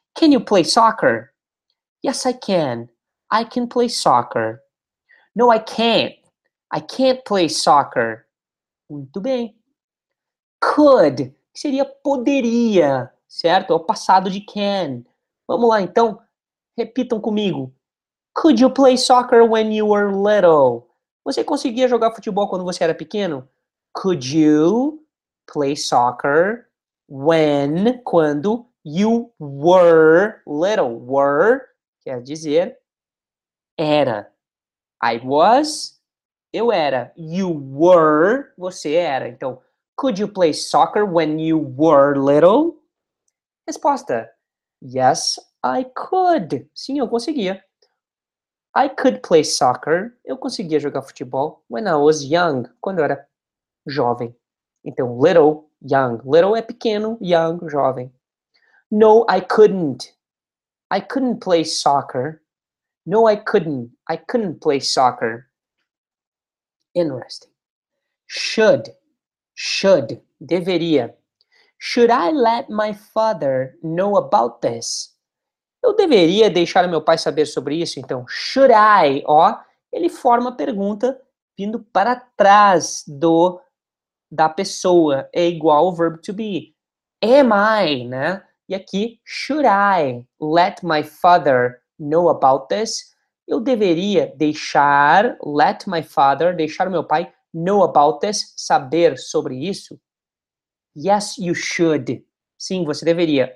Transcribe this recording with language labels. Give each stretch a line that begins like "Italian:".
English: Can you play soccer? Yes, I can. I can play soccer. No, I can't. I can't play soccer.
Portuguese: Muito bem.
English: Could.
Portuguese: Seria poderia, certo? É o passado de can. Vamos lá, então. Repitam comigo.
English: Could you play soccer when you were little?
Portuguese: Você conseguia jogar futebol quando você era pequeno?
English: Could you play soccer when,
Portuguese: quando,
English: you were little? Were,
Portuguese: quer dizer, era.
English: I was,
Portuguese: eu era.
English: You were,
Portuguese: você era.
English: Então, could you play soccer when you were little?
Portuguese: Resposta,
English: yes, I could.
Portuguese: Sim, eu conseguia.
English: I could play soccer,
Portuguese: eu conseguia jogar futebol,
English: when I was young,
Portuguese: quando eu era jovem. Então,
English: little, young.
Portuguese: Little é pequeno, young, jovem.
English: No, I couldn't. I couldn't play soccer. No, I couldn't. I couldn't play soccer. Interesting. Should. Should.
Portuguese: Deveria.
English: Should I let my father know about this?
Portuguese: Eu deveria deixar meu pai saber sobre isso, então.
English: Should I?
Portuguese: Ó, ele forma a pergunta vindo para trás do... da pessoa, é igual ao verbo to be.
English: Am I, né?
Portuguese: E aqui,
English: should I let my father know about this?
Portuguese: Eu deveria deixar,
English: let my father,
Portuguese: deixar meu pai
English: know about this,
Portuguese: saber sobre isso?
English: Yes, you should.
Portuguese: Sim, você deveria.